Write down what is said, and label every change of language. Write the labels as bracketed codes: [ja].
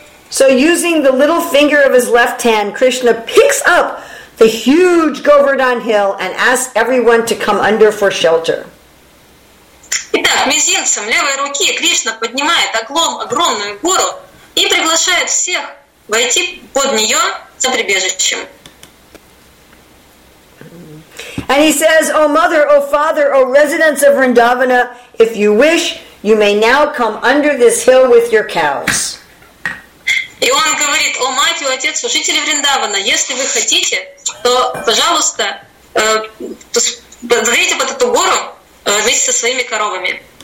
[en] So using the little finger of his left hand, Krishna picks up the huge Govardhan hill and asks everyone to come under for shelter. [ru] Итак, мизинцем левой руки Кришна поднимает огромную гору и приглашает всех войти под нее за прибежищем. [en] And he says, O mother, O father, O residents of Vrindavana, if you wish, you may now come under this hill with your cows. [ru] И он говорит, о мать, о отец, о жители Вриндавана, если вы хотите, то, пожалуйста, подойдите под эту гору вместе со своими коровами.